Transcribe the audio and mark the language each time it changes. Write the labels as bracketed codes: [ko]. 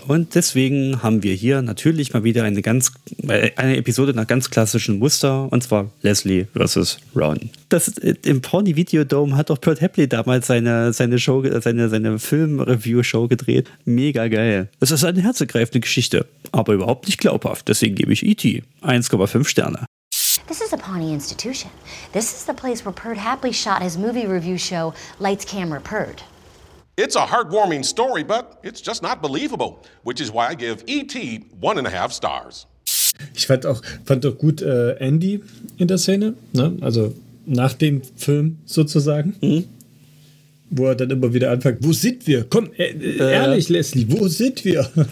[de] Ja, und deswegen haben wir hier natürlich mal wieder eine Episode nach ganz klassischem Muster, und zwar Leslie versus Ron. Das im Pawnee Videodome hat doch Pert Hapley damals seine Film-Review-Show gedreht. Mega geil. Es ist eine herzergreifende Geschichte, aber überhaupt nicht glaubhaft. Deswegen gebe ich E.T. 1,5 Sterne. [en] This is a Pawnee institution. This is the place where Pert Hapley shot his movie review show, Lights, Camera, Pert. It's a heartwarming story, but it's just not believable. Which is why I give E.T. 1.5 stars. [de] Ich fand auch gut Andy in der Szene, ne? Also nach dem Film sozusagen, wo er dann immer wieder anfängt, wo sind wir? Komm, ehrlich, Leslie, wo sind wir?